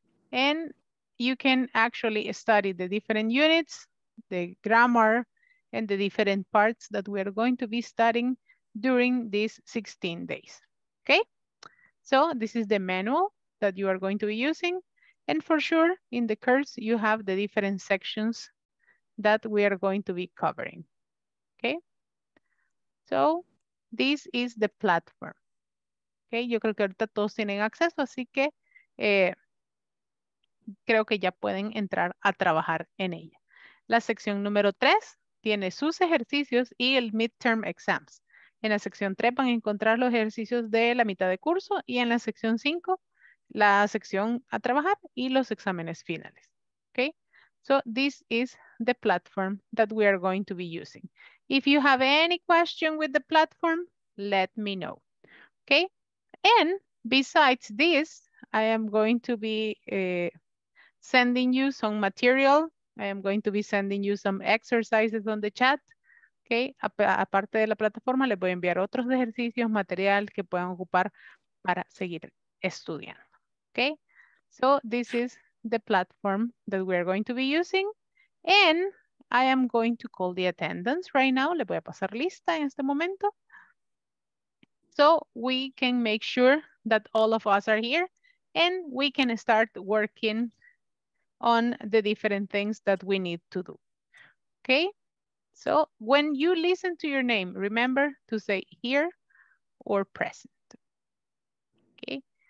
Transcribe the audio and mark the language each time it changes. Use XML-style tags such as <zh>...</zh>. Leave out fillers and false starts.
<en>And you can actually study the different units, the grammar, and the different parts that we are going to be studying during these 16 days, okay? So this is the manual that you are going to be using. And for sure, in the course, you have the different sections that we are going to be covering, okay? So this is the platform, okay?</en> <es>Yo creo que ahorita todos tienen acceso, así que creo que ya pueden entrar a trabajar en ella. La sección número 3 tiene sus ejercicios y el midterm exams. En la sección 3 van a encontrar los ejercicios de la mitad de curso y en la sección 5, la sección a trabajar y los exámenes finales, okay?</es> <en>So this is the platform that we are going to be using. If you have any question with the platform, let me know, okay? And besides this, I am going to be sending you some material. I am going to be sending you some exercises on the chat, okay?</en> <es>Aparte de la plataforma, les voy a enviar otros ejercicios, material que puedan ocupar para seguir estudiando.</es> <en>Okay, so this is the platform that we are going to be using. And I am going to call the attendance right now.</en> <es>Le voy a pasar lista en este momento.</es> <en>So we can make sure that all of us are here and we can start working on the different things that we need to do. Okay, so when you listen to your name, remember to say here or present. Okay.</en>